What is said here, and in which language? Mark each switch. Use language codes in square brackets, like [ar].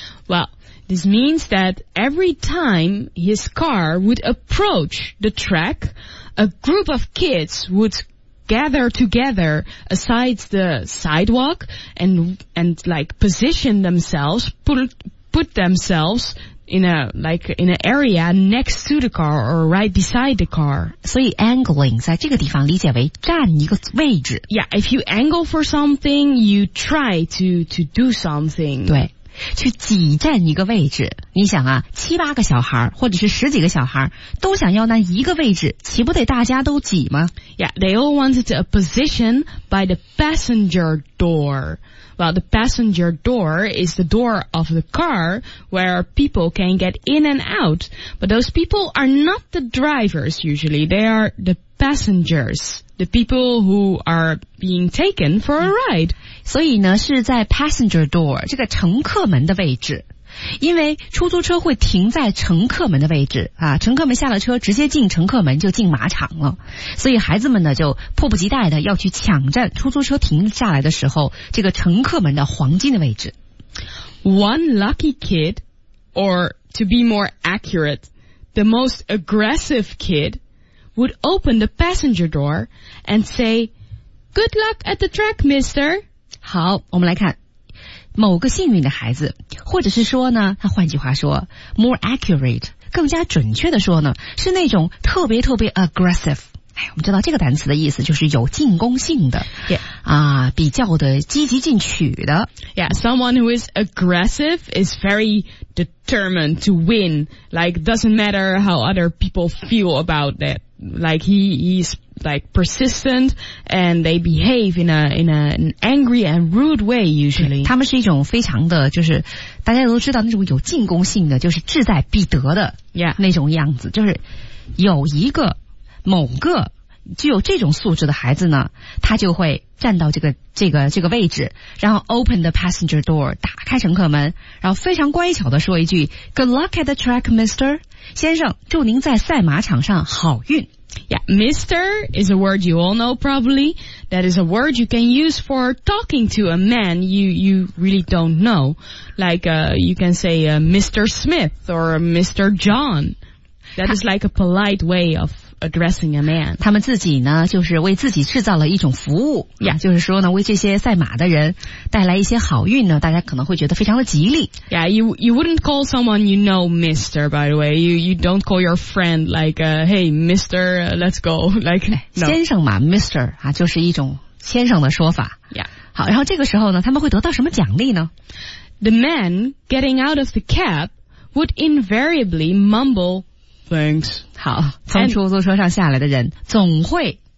[en] Well, this means that every time his car would approach the track A group of kids would gather together aside the sidewalk and like position themselves, put themselves in a, like in an area next to the car or right beside the car. [zh] 所以 angling 在这个地方理解为站一个位置。 [en] Yeah, if you angle for something, you try to do something. [zh] 对。去挤占一个位置你想啊七八个小孩或者是十几个小孩都想要那一个位置岂不得大家都挤吗 [en] Yeah, they all wanted a position by the passenger door Well, the passenger door is the door of the car where people can get in and out But those people are not the drivers usually They are the passengers The people who are being taken for a ride、嗯 [zh] 所以呢是在 passenger door 这个乘客门的位置因为出租车会停在乘客门的位置啊，乘客们下了车直接进乘客门就进马场了所以孩子们呢就迫不及待的要去抢占出租车停下来的时候这个乘客门的黄金的位置 [en] One lucky kid or to be more accurate the most aggressive kid would open the passenger door and say Good luck at the track mister [zh] 好我们来看某个幸运的孩子或者是说呢他换句话说 [en] more accurate [zh] 更加准确的说呢是那种特别特别 aggressive 哎，我们知道这个单词的意思就是有进攻性的、 [en] yeah. [zh] 啊，比较的积极进取的 [en] Yeah, someone who is aggressive is very determined to win like doesn't matter how other people feel about it like he's like persistent and they behave in an angry and rude way usually [zh] 他们是一种非常的就是大家都知道那种有进攻性的就是志在必得的那种样子、 [en] yeah. [zh] 就是有一个某个具有这种素质的孩子呢他就会站到这个位置然后 [en] open the passenger door [zh] 打开乘客门然后非常乖巧的说一句 [en] Good luck at the track mister [zh] 先生祝您在赛马场上好运 [en] Yeah, mister is a word you all know probably That is a word you can use for talking to a man you really don't know Like you can say Mr. Smith or Mr. John That is like a polite way ofaddressing a man [zh] 他们自己呢就是为自己制造了一种服务、 [en] yeah. [zh] 就是说呢为这些赛马的人带来一些好运呢大家可能会觉得非常的吉利 [en] Yeah, you wouldn't call someone you know Mr. by the way You don't call your friend like Hey, Mr. Let's go like,、no. [zh] 先生嘛 Mr. 啊，就是一种先生的说法 [en] Yeah [zh] 好然后这个时候呢他们会得到什么奖励呢 [en] The man getting out of the cab would invariably mumbleThanks. [zh] 好从出租车上下来的人 And, 总会